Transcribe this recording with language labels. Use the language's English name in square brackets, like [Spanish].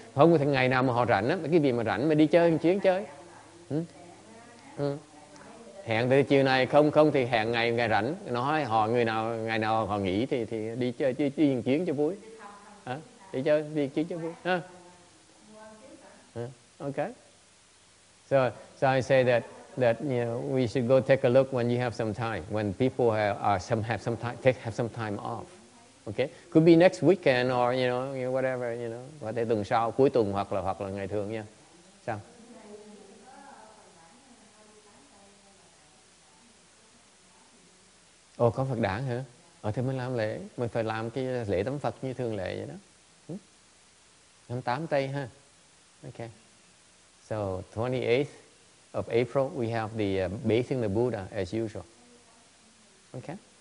[Vietnamese] Không có thể ngày nào mà họ rảnh á, mấy cái gì mà rảnh mà đi chơi một chuyến chơi. Hẹn thì chiều này không, không thì hẹn ngày rảnh. Nói họ người nào, ngày nào họ nghỉ thì đi chơi, đi một chuyến cho vui. Đi chơi, đi một chuyến cho vui. Okay. [English] So I say that you know, we should go take a look when you have some time, when people have some time off. Okay, could be next weekend or you know whatever you know. [Vietnamese] Có thể tuần sau, cuối tuần hoặc là ngày thường nha. Sao? Ồ, có Phật đản hả? Ở thì mình làm lễ, mình phải làm cái lễ tắm Phật như thường lệ vậy đó. 28 Tây ha. Okay. [English] So 28th of April we have the bathing the Buddha as usual. Okay.